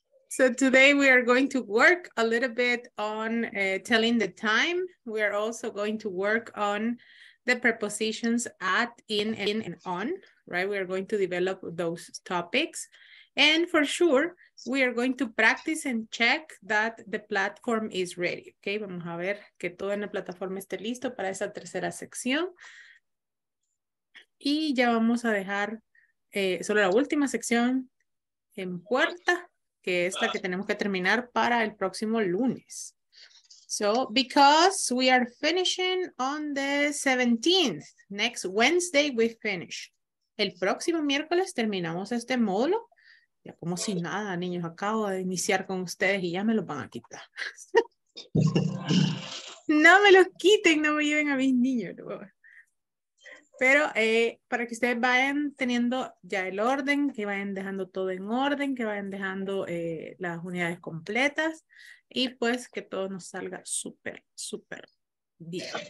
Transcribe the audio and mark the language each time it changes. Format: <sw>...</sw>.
<en>So today we are going to work a little bit on telling the time. We are also going to work on the prepositions at, in, and on, right? We are going to develop those topics. And for sure, we are going to practice and check that the platform is ready, okay?</en> <es>Vamos a ver que todo en la plataforma esté listo para esa tercera sección. Y ya vamos a dejar solo la última sección en puerta, que es la que tenemos que terminar para el próximo lunes.</es> <en>So, because we are finishing on the 17th, next Wednesday we finish.</en> <es>El próximo miércoles terminamos este módulo. Ya como si nada, niños, acabo de iniciar con ustedes y ya me los van a quitar. No me los quiten, no me lleven a mis niños. No. Pero para que ustedes vayan teniendo ya el orden, que vayan dejando todo en orden, que vayan dejando las unidades completas y pues que todo nos salga súper, súper bien.</es>